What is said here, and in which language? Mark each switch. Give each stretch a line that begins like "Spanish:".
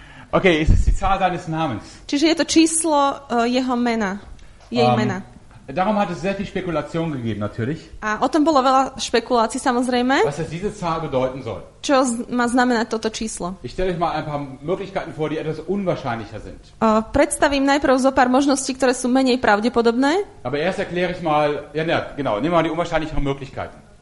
German: Okay, es ist die Zahl seines Namens.
Slovak: Čiže je to číslo jeho mena. Jej mena.
German: Darum hat es sehr viel Spekulation gegeben, natürlich.
Slovak: A o tom bolo veľa špekulácií, samozrejme.
German: Was es diese Zahl bedeuten soll.
Slovak: Čo má znamenať toto číslo.
German: Ich stelle euch mal ein paar Möglichkeiten vor, die etwas unwahrscheinlicher sind.
Slovak: Predstavím najprv zo pár možností, ktoré sú menej pravdepodobné.
German: Aber erst erkläre ich mal, ja, ne, genau, nehmen wir mal die unwahrscheinlichen Möglichkeiten.